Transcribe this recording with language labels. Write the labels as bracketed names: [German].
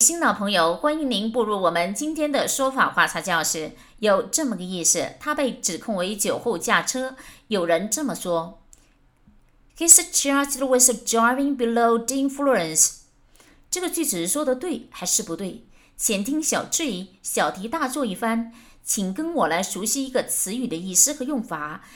[Chinese] 新老朋友，欢迎您步入我们今天的说法话茶教室。有这么个意思，他被指控为酒后驾车。 [English] 有人这么说 He's charged with driving below the influence。 [Chinese] 这个句子说的对还是不对？前听小质疑，小题大做一番，请跟我来熟悉一个词语的意思和用法。